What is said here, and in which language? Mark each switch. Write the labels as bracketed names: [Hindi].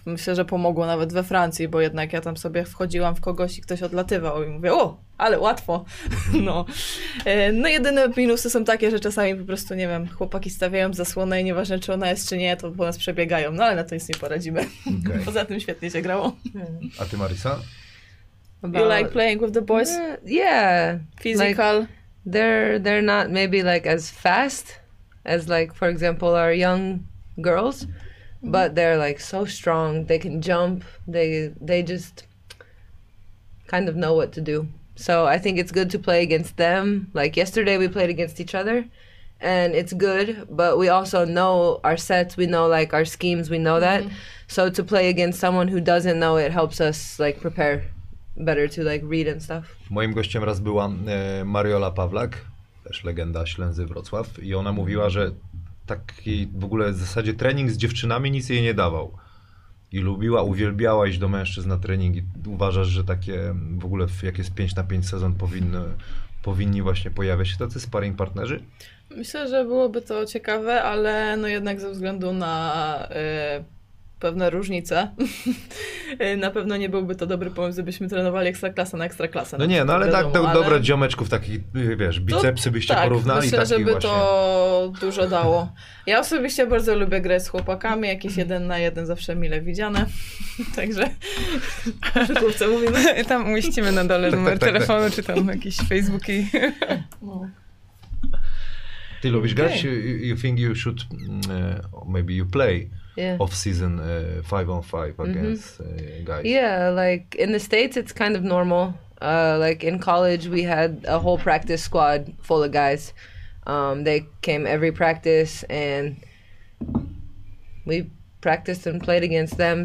[Polish] Myślę, że pomogło nawet we Francji, bo jednak ja tam sobie wchodziłam w kogoś i ktoś odlatywał i mówię, o, ale łatwo. No jedyne minusy są takie, że czasami po prostu, nie wiem, chłopaki stawiają zasłonę i nieważne, czy ona jest, czy nie, to po nas przebiegają, no ale na to nic nie poradzimy. Okay. Poza tym świetnie się grało. A ty, Marisa? [English] You like playing with the boys? Yeah. Physical. Like, they're not maybe like as fast as like, for example, our young girls, but they're like so strong. They can jump. They just kind of know what to do. So I think it's good to play against them. Like yesterday we played against each other and it's good, but we also know our sets. We know like our schemes, we know that. So to play against someone who doesn't know it helps us like prepare better to like read and stuff. [Polish] Moim gościem raz była Mariola Pawlak, też legenda Ślęzy Wrocław, i ona mówiła, że taki w ogóle w zasadzie trening z dziewczynami nic jej nie dawał. I lubiła, uwielbiała iść do mężczyzn na trening. I uważasz, że takie w ogóle jak jest 5 na 5 sezon powinni właśnie pojawiać się tacy sparring partnerzy? Myślę, że byłoby to ciekawe, ale no jednak ze względu na pewne różnice. Na pewno nie byłby to dobry pomysł, gdybyśmy trenowali ekstraklasę na ekstraklasę. No nie, no ale tak do, ale... dobre dziomeczków, takich, wiesz, bicepsy to, byście tak, porównali. Myślę, żeby właśnie to dużo dało. Ja osobiście bardzo lubię grę z chłopakami, jakieś jeden na jeden zawsze mile widziane. Także chłopce mówimy. Tam umieścimy na dole numer telefonu, czy tam jakieś Facebooki. No. Ty lubisz grać? [English] You think you should, maybe you play off season 5-on-5 against guys? Yeah, like in the States it's kind of normal. Like in college we had a whole practice squad full of guys. They came every practice and we practiced and played against them.